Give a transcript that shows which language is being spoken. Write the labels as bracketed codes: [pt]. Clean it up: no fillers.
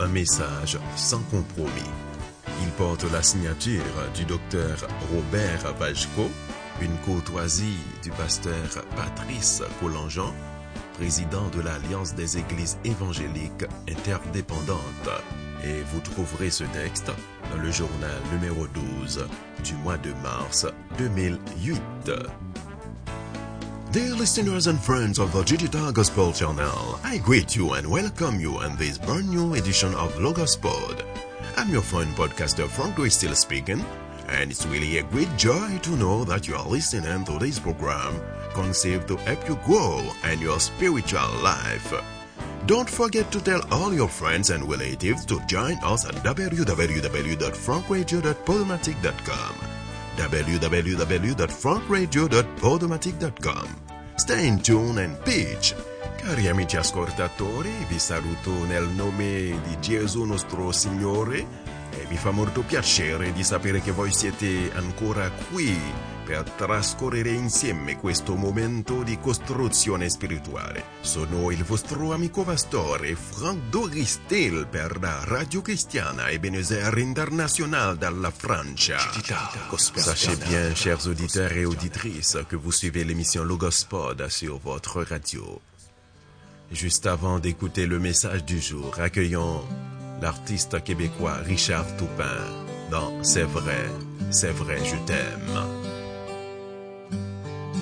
[fr] Un message sans compromis. Il porte la signature du docteur Robert Vajko, une courtoisie du pasteur Patrice Collangean, président de l'Alliance des Églises évangéliques interdépendantes. Et vous trouverez ce texte dans le journal numéro 12 du mois de mars 2008. [en] Dear listeners and friends of the Digital Gospel Channel, I greet you and welcome you in this brand new edition of Logos Pod. I'm your friend podcaster Frank Lewis still speaking, and it's really a great joy to know that you are listening to this program conceived to help you grow in your spiritual life. Don't forget to tell all your friends and relatives to join us at www.frankradio.podomatic.com. www.frankradio.podomatic.com. Stay in tune and pitch. [it] Cari amici ascoltatori, vi saluto nel nome di Gesù nostro Signore e mi fa molto piacere di sapere che voi siete ancora qui per trascorrere insieme questo momento di costruzione spirituale. Sono il vostro amico pastore Franck Doristil per la Radio Cristiana Ebenezer International dalla Francia. [fr] Sachez bien, chers auditeurs et auditrices, que vous suivez l'émission Logos Pod sur votre radio. Juste avant d'écouter le message du jour, accueillons l'artiste québécois Richard Toupin dans « c'est vrai, je t'aime ».